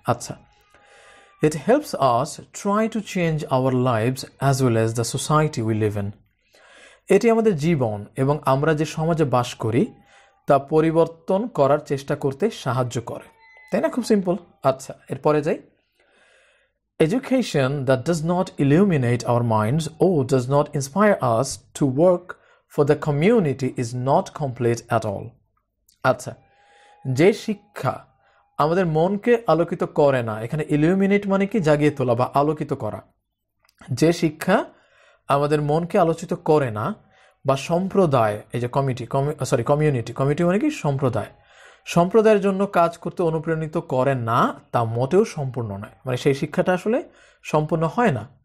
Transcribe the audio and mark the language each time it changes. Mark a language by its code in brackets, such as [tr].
[en] আচ্ছা, it helps us try to change our lives as well as the society we live in. [bn] এটি আমাদের জীবন এবং আমরা যে সমাজে বাস করি তা পরিবর্তন করার চেষ্টা করতে সাহায্য করে, তাই না? খুব সিম্পল। আচ্ছা, এরপরে যাই। [en] Education that does not illuminate our minds or does not inspire us to work for the community is not complete at all. [bn] আচ্ছা, যে শিক্ষা আমাদের মনকে আলোকিত করে না, এখানে ইলিউমিনেট মানে কি জাগিয়ে তোলা বা আলোকিত করা, যে শিক্ষা আমাদের মনকে আলোচিত করে না বা সম্প্রদায়, এই যে কমিটি, সরি কমিউনিটি, কমিটি মানে কি সম্প্রদায়, সম্প্রদায়ের জন্য কাজ করতে অনুপ্রাণিত করে না, তা মোটেও সম্পূর্ণ নয়, মানে সেই শিক্ষাটা আসলে সম্পূর্ণ হয় না।